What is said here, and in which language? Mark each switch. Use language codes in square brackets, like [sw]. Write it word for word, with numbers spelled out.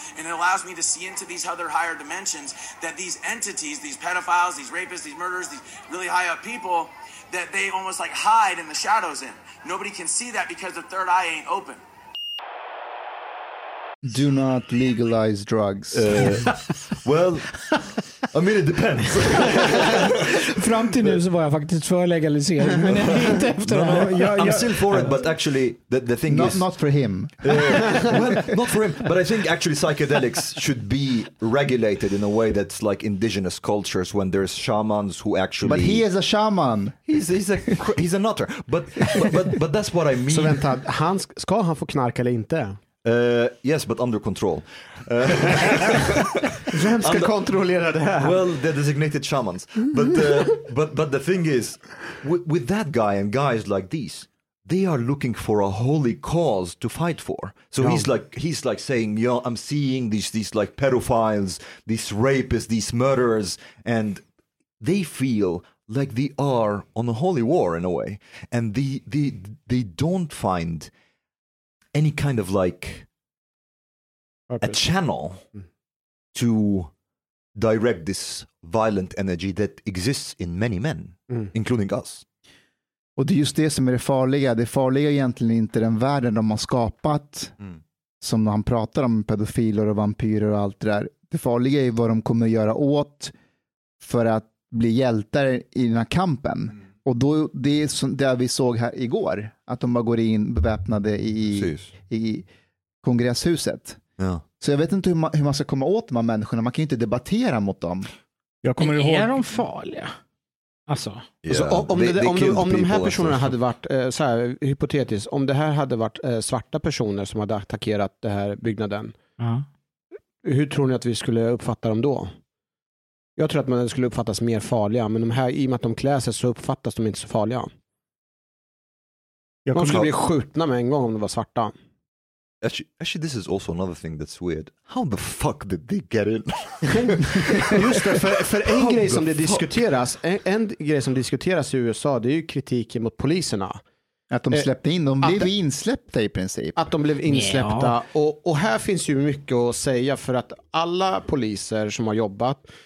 [en] And it allows me to see into these other higher dimensions that these entities, these pedophiles, these rapists, these murderers, these really high up people, that they almost like hide in the shadows in. Nobody can see that because the third eye ain't open. Do not legalize drugs. Uh, well, I mean it depends. [sv] Fram till nu så var jag faktiskt för legalisering, men inte efter det här. [en] No, no, I'm still for it, but actually the, the thing not, is... Not for him. Uh, well, not for him, but I think actually psychedelics should be regulated in a way that's like indigenous cultures when there's shamans who actually... But he is a shaman. He's, he's, a, he's a nutter. But, but, but, but that's what I mean. [sv] Så vänta, han, ska han få knarka eller inte? [en] Uh, yes, but under control. Uh, [sv] Vem ska under, kontrollera det här? [en] Well, they're designated shamans. But, uh, but, but the thing is, with, with that guy and guys like these, they are looking for a holy cause to fight for. So yeah. he's like he's like saying, "Yo, I'm seeing these these like pedophiles, these rapists, these murderers, and they feel like they are on a holy war in a way, and they they they don't find." Any kind of like okay. a channel to direct this violent energy that exists in many men, mm. including us. [sv] Och det är just det som är det farliga. Det farliga är egentligen inte den världen de har skapat, mm. som han pratar om, pedofiler och vampyrer och allt det där. Det farliga är vad de kommer att göra åt för att bli hjältar i den här kampen. Mm. Och då, det är som det vi såg här igår. Att de bara går in beväpnade i, i kongresshuset. Ja. Så jag vet inte hur man, hur man ska komma åt de här människorna. Man kan ju inte debattera mot dem. Jag kommer ihåg... Är de farliga? Alltså. [en] Yeah. [sv] alltså om, om, they, they om, om, om de här personerna hade varit, eh, så här, hypotetiskt. Om det här hade varit eh, svarta personer som hade attackerat den här byggnaden. Uh-huh. Hur tror ni att vi skulle uppfatta dem då? Jag tror att man skulle uppfattas mer farliga, men de här, i och med att de klär sig så uppfattas de inte så farliga. De skulle bli skjutna med en gång om de var svarta. [en] Actually, actually this is also another thing that's weird. How the fuck did they get in? [sv] Just det, för, för en How grej som det diskuteras, en, en grej som diskuteras i U S A, det är ju kritiken mot poliserna. Att de släppte in, de blev att, insläppta i princip. Att de blev insläppta. Yeah. Och, och här finns ju mycket att säga för att alla poliser som har jobbat